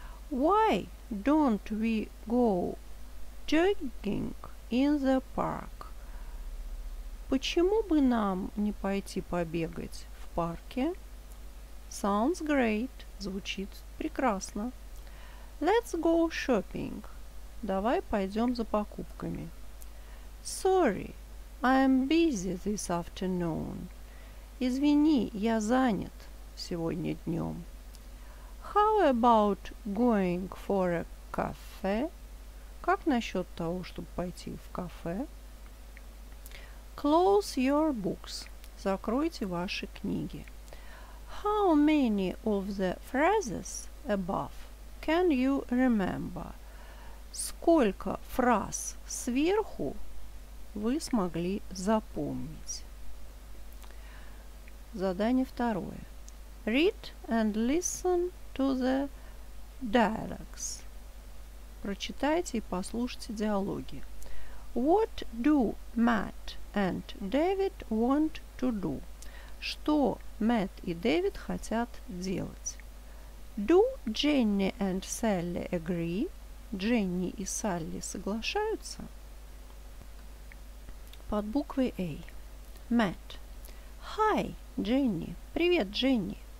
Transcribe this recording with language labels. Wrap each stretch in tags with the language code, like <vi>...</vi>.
<en>Why don't we go jogging in the park?</en> <ru>Почему бы нам не пойти побегать в парке?</ru> <en>Sounds great.</en> <ru>Звучит прекрасно.</ru> <en>Let's go shopping.</en> <ru>Давай пойдем за покупками.</ru> <en>Sorry, I'm busy this afternoon.</en> <ru>Извини, я занят сегодня днем.</ru> <en>How about going for a cafe?</en> <ru>Как насчет того, чтобы пойти в кафе?</ru> <en>Close your books.</en> <ru>Закройте ваши книги.</ru> <en>How many of the phrases above can you remember?</en> <ru>Сколько фраз сверху вы смогли запомнить? Задание второе.</ru> <en>Read and listen to the dialogues.</en> <ru>Прочитайте и послушайте диалоги.</ru> <en>What do Matt and David want to do?</en> <ru>Что Matt и Дэвид хотят делать?</ru> <en>Do Jenny and Sally agree?</en> <ru>Дженни и Салли соглашаются? Под буквой A. Matt.</ru> <en>Hi, Jenny.</en> <ru>Привет, Дженни.</ru>